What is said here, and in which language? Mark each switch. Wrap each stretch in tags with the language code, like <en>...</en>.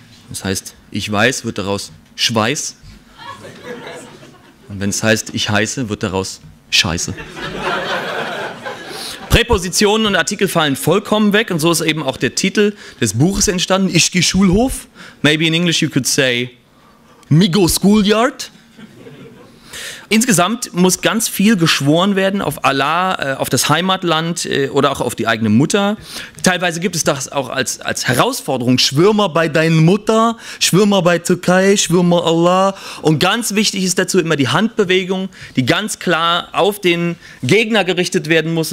<de>Das heißt, ich weiß, wird daraus schweiß. Und wenn es heißt, ich heiße, wird daraus scheiße. Präpositionen und Artikel fallen vollkommen weg und so ist eben auch der Titel des Buches entstanden. Ich geh Schulhof.</de> <en>Maybe in English you could say me go schoolyard.</en> <de>Insgesamt muss ganz viel geschworen werden auf Allah, auf das Heimatland oder auch auf die eigene Mutter. Teilweise gibt es das auch als Herausforderung. Schwör mal bei deiner Mutter, schwör mal bei Türkei, schwör mal Allah. Und ganz wichtig ist dazu immer die Handbewegung, die ganz klar auf den Gegner gerichtet werden muss.</de>